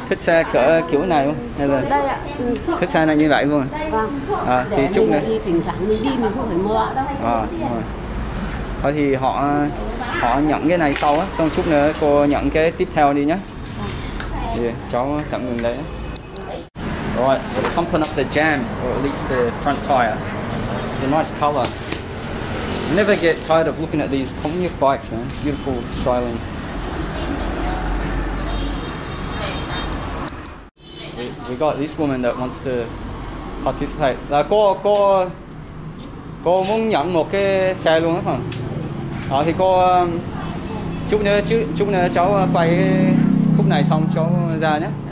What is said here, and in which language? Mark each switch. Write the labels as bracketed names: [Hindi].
[Vietnamese] Thích xe cỡ kiểu này không? Hay là... Đây ạ. Thích xe này như vậy luôn. Vâng. À, thì chúc này. Thỉnh thoảng mình đi mình không phải mua đâu. À, rồi. Thì họ nhận cái này sau á, xong chút nữa cô nhận cái tiếp theo đi nhá. Thì cháu cảm ơn đấy. [English] Right, we're pumping up the jam, or at least the front tire. It's a nice color. I never get tired of looking at these Tomyuk bikes, man. Beautiful styling. We got this woman that wants to participate. [Vietnamese] Là cô muốn nhận một cái xe luôn á hả? À thì cô chút nữa cháu quay khúc này xong cháu ra nhé.